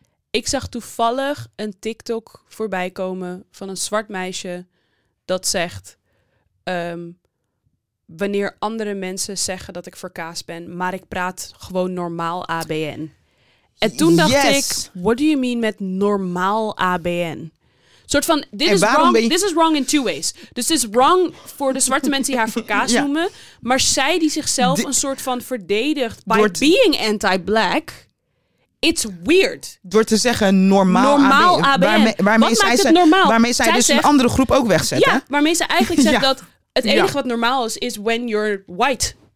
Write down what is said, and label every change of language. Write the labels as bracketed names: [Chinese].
[Dutch] Ik zag toevallig een TikTok voorbij komen van een zwart meisje dat zegt, wanneer andere mensen zeggen dat ik verkaasd ben, maar ik praat gewoon normaal ABN. En toen dacht ik, [English] what do you mean [Dutch] met normaal ABN? Soort van, [English] this is wrong in two ways. [Dutch] Dus het is wrong voor de zwarte mensen die haar verkaas noemen. Maar zij die zichzelf een soort van verdedigt [English] by being anti-black, it's weird. [Dutch] Door te zeggen normaal ABN. ABN. Waarmee zij dus een andere groep ook wegzet. Ja, waarmee ze eigenlijk zegt dat het enige wat normaal is, is [English] when you're white.